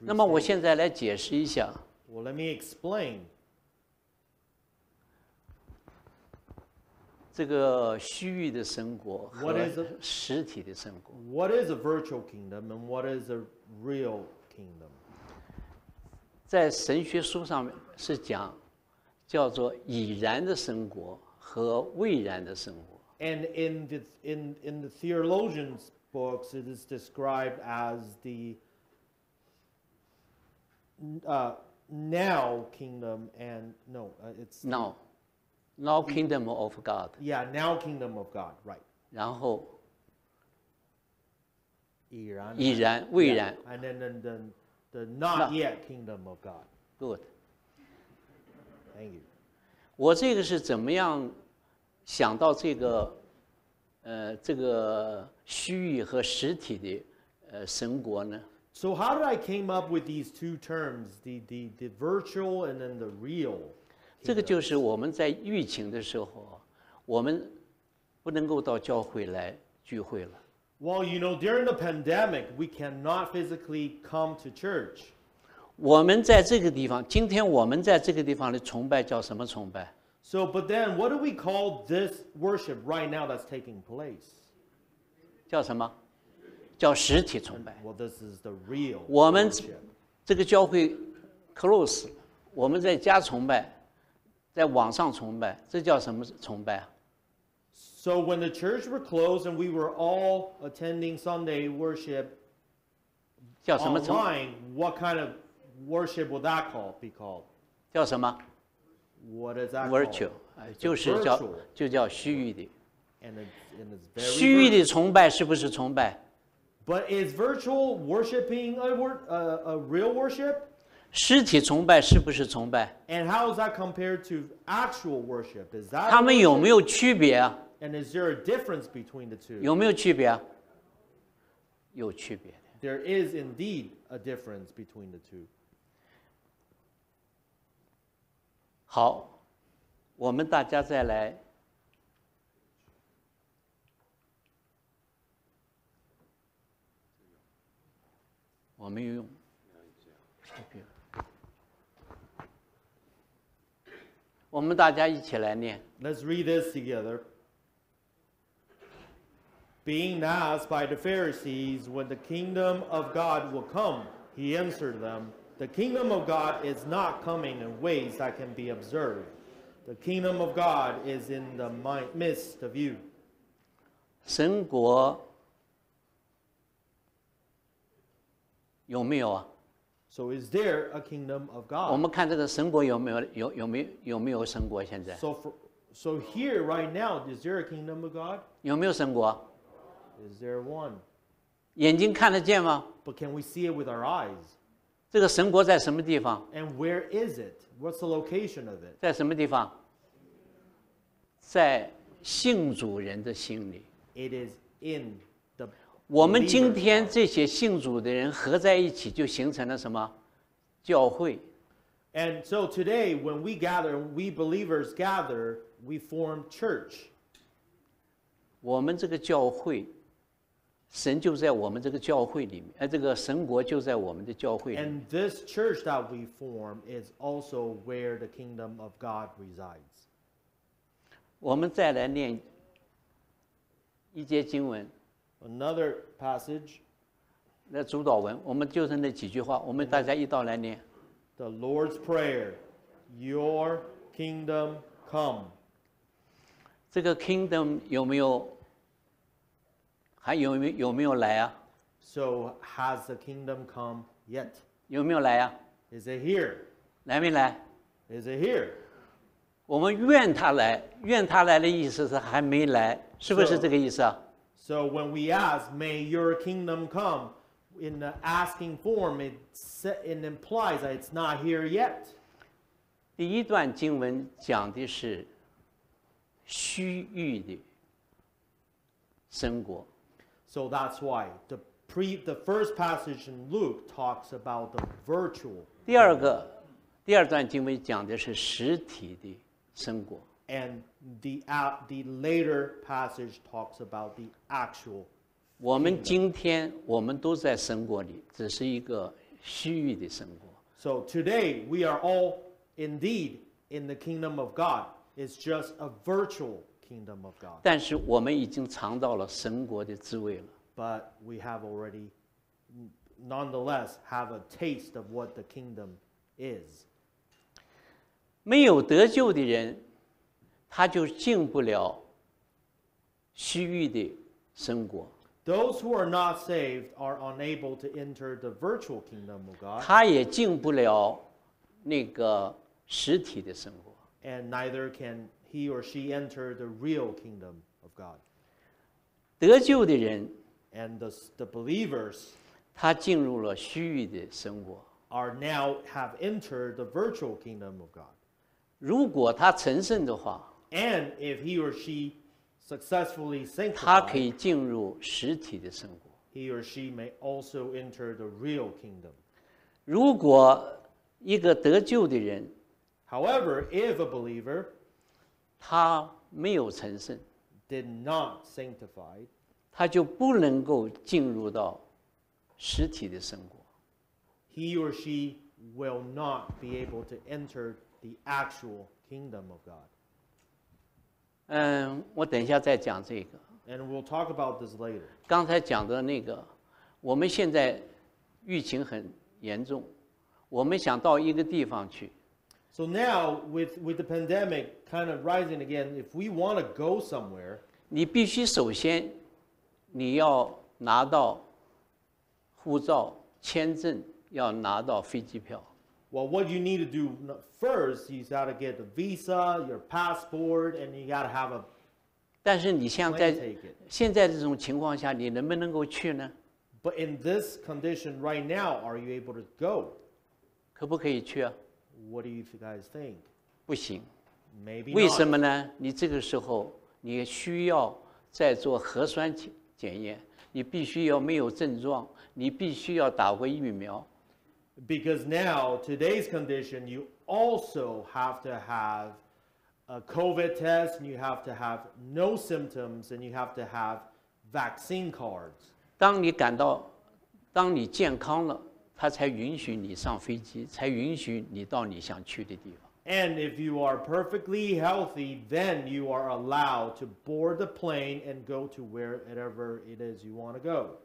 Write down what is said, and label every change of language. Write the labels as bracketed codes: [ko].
[zh] 那么我现在来解释一下。 [en] Well, let me explain. [zh] 这个虚域的神国和实体的神国。 [en] What is a virtual kingdom and what is a real kingdom? [zh] 在神学书上是讲叫做已然的神国和未然的神国。 [en] And in the theologians' books, it is described as the now kingdom and no, it's now Now kingdom of God. Yeah, now kingdom of God, right. [zh] 然后已然未然 [en] And then the not yet kingdom of God. Good. Thank you. [zh] 我这个是怎么样想到这个这个虚拟和实体的神国呢？ [en] So how did I came up with these two terms, the virtual and then the real? [zh] 这个就是我们在疫情的时候，我们不能够到教会来聚会了。 [en] Well, you know, during the pandemic, we cannot physically come to church. [zh] 我们在这个地方，今天我们在这个地方的崇拜叫什么崇拜？ [en] So, but then, what do we call this worship right now that's taking place? [zh] 叫什么？叫实体崇拜。 [en] Well, this is the real. [zh] 我们这个教会 close， 我们在家崇拜，在网上崇拜，这叫什么崇拜？ [en] So when the church were closed and we were all attending Sunday worship online, what kind of worship would that call be called? [zh] 叫什么？ [en] What is that virtual, called? [zh] 就是叫 [en] virtual, [zh] 就叫虚拟的。 [en] And it's very [zh] 虚拟的崇拜是不是崇拜？ [en] But is virtual worshiping a real worship? [zh] 实体崇拜是不是崇拜？ [en] And how is that compared to actual worship? Is that [zh] 他们有没有区别？ [en] And is there a difference between the two? [zh] 有没有区别？有区别的。 [en] There is indeed a difference between the two. [zh] 好，我们大家再来我们用我们大家一起来念 [en] Let's read this together. Being asked by the Pharisees when the kingdom of God will come, he answered themThe kingdom of God is not coming in ways that can be observed. The kingdom of God is in the midst of you. [zh] 神国有没有啊？ [en] So is there a kingdom of God? [zh] 我们看这个神国有没有有没有神国现在？ [en] So here right now, is there a kingdom of God? [zh] 有没有神国？ [en] Is there one? [zh] 眼睛看得见吗？ [en] But can we see it with our eyes? [zh] 这个神国在什么地方 [en] ？And where is it? What's the location of it? [zh] 在什么地方？在信主人的心里。 [en] It is in the. [zh] 我们今天这些信主的人合在一起，就形成了什么？教会。 [en] And so today, when we gather, we believers gather, we form church. [zh] 我们这个教会。神就在我们这个教会里面，这个神国就在我们的教会里面。 [en] And this church that we form is also where the kingdom of God resides. [zh] 我们再来念一节经文。 [en] Another passage. [zh] 那主导文，我们就是那几句话，我们大家一道来念。 [en] The Lord's Prayer, Your kingdom come. [zh] 这个 kingdom 有没有？还有没有来啊 [en] ？So has the kingdom come yet? [zh] 有没有来啊 [en] ？Is it here? [zh] 来没来 [en] ？Is it here? [zh] 我们愿他来，愿他来的意思是还没来，是不是这个意思啊 [en] ？So when we ask, "May your kingdom come," in the asking form, it implies that it's not here yet. [zh] 第一段经文讲的是虚臾的神国。 [en] So that's why the first passage in Luke talks about the virtual. [zh] 第二段经文讲的是实体的神国。 [en] And the later passage talks about the actual. [zh] 我们今天我们都在神国里，只是一个虚拟的神国。 [en] So today we are all indeed in the kingdom of God. It's just a virtual kingdom of God. [zh] 但是我们已经尝到了神国的滋味了。 [en] But we have already, nonetheless, have a taste of what the kingdom is. [zh] 没有得救的人，他就进不了虚臾的神国。 [en] Those who are not saved are unable to enter the virtual kingdom of God. [zh] 他也进不了那个实体的神国。 [en] And neither can he or she enter the real kingdom of God. [zh] 得救的人, [en] and the believers, [zh] 他进入了虚拟的生活, [en] are now have entered the virtual kingdom of God. [zh] 如果他成圣的话, [en] and if he or she successfully sanctified, [zh] 他可以进入实体的生活, [en] he or she may also enter the real kingdom. [zh] 如果一个得救的人, [en] however, if a believer, [zh] 他没有成圣, [en] did not sanctify, [zh] 他就不能够进入到实体的生活。 [en] He or she will not be able to enter the actual kingdom of God. [zh] 我等一下再讲这个。 [en] And we'll talk about this later. [zh] 刚才讲的那个，我们现在疫情很严重，我们想到一个地方去。 [en] So now, with the pandemic kind of rising again, if we want to go somewhere, [zh] 你必须首先你要拿到护照、签证，要拿到飞机票。 [en] Well, what you need to do first, you got to get the visa, your passport, and you got to have a plane ticket. [zh] 但是你像在现在这种情况下，你能不能够去呢？ [en] But in this condition right now, are you able to go? [zh] 可不可以去啊？ [en] What do you guys think? [zh] 不行。 [en] Maybe not. [zh] 为什么呢？你这个时候你需要再做核酸检验，你必须要没有症状，你必须要打过疫苗。 [en] Because now, today's condition, you also have to have a COVID test, and you have to have no symptoms, and you have to have vaccine cards. [zh] 当你感到，当你健康了，他才允许你上飞机，才允许你到你想去的地方。 [en] And if you are perfectly healthy, then you are allowed to board the plane and go to wherever it is you want to go.